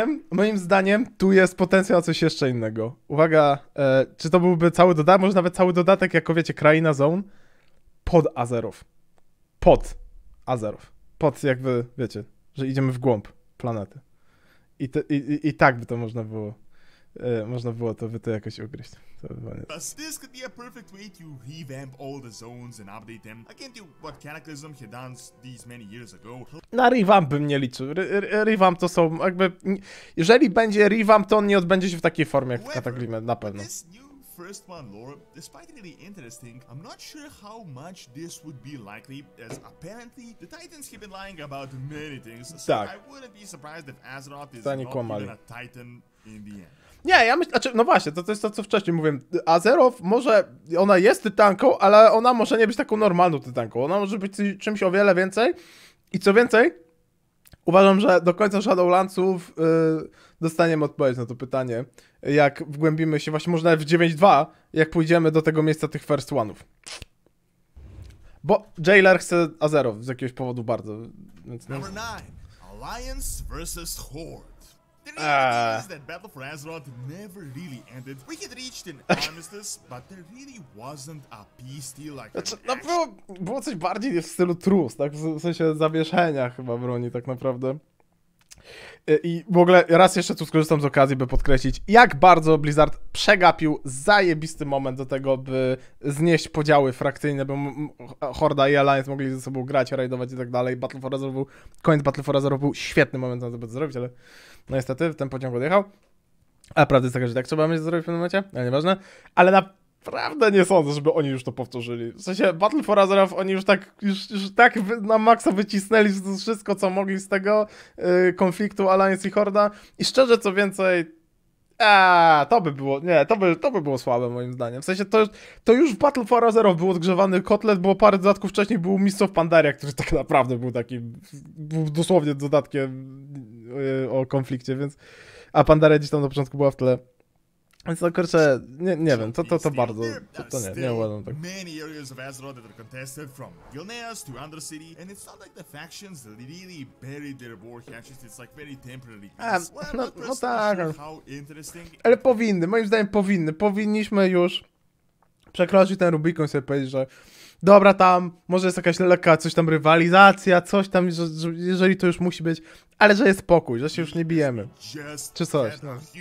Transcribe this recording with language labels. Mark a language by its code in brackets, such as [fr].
[pl] Moim zdaniem tu jest potencjał coś jeszcze innego. Uwaga, czy to byłby cały dodatek, może nawet cały dodatek, jako wiecie, Kraina Zone pod Azeroth. Pod Azeroth. Pod jakby, wiecie, że idziemy w głąb planety. I tak by to można było. Można było to by to jakoś ugryźć. [en] This could be a perfect way to revamp all the zones and update them. Akin to what Cataclysm had done these many years ago. [pl] Na revamp bym nie liczył. Revamp to są jakby... Jeżeli będzie revamp, to on nie odbędzie się w takiej formie jak w Cataclysmie, na pewno. [en] First one lore, despite really interesting, I'm not sure how much this would be likely, as apparently the Titans have been lying about many things, so [pl] tak. [en] I wouldn't be surprised if Azeroth is not even a Titan in the end. [pl] Nie, ja myślę, znaczy, no właśnie, to jest to, co wcześniej mówiłem. Azeroth może, ona jest tytanką, ale ona może nie być taką normalną tytanką. Ona może być czymś o wiele więcej. I co więcej, uważam, że do końca Shadowlandsów dostaniemy odpowiedź na to pytanie. Jak wgłębimy się właśnie, może nawet w 9.2, jak pójdziemy do tego miejsca tych first one'ów. Bo Jailer chce Azeroth z jakiegoś powodu bardzo. Więc no. [en] Number 9. Alliance versus Horde. The news that Battle for Azeroth never really ended. We had reached an armistice, but there really wasn't a peace deal like that. [pl] No było coś bardziej w stylu trus, tak? W sensie zawieszenia chyba broni tak naprawdę. I w ogóle raz jeszcze tu skorzystam z okazji, by podkreślić, jak bardzo Blizzard przegapił zajebisty moment do tego, by znieść podziały frakcyjne, by Horda i Alliance mogli ze sobą grać, rajdować i tak dalej. Battle for Azeroth był, koniec Battle for Azeroth był świetny moment na to, by to zrobić, ale no niestety ten pociąg odjechał. A prawda jest taka, że tak trzeba mieć zrobić w pewnym momencie, ale nieważne. Ale naprawdę nie sądzę, żeby oni już to powtórzyli. W sensie Battle for Azeroth oni już tak na maksa wycisnęli wszystko, co mogli z tego konfliktu Alliance i Horda. I szczerze co więcej, to by było słabe moim zdaniem. W sensie to już w Battle for Azeroth był odgrzewany kotlet, bo parę dodatków wcześniej był Mists of Pandaria, który tak naprawdę był taki, był dosłownie dodatkiem o konflikcie, więc... A Pandaria gdzieś tam na początku była w tle. Więc no kurczę, nie wiem, to bardzo, to nie uważam tak. [en] Many areas of Azeroth that are contested, from Gilneas to Undercity, and it's not like the factions really buried their war hatches, it's like very temporary. [pl] No tak, ale powinniśmy już przekroczyć ten Rubikon i sobie powiedzieć, że dobra, tam może jest jakaś lekka coś tam rywalizacja, coś tam, jeżeli to już musi być, ale że jest pokój, że się już nie bijemy, czy coś, no.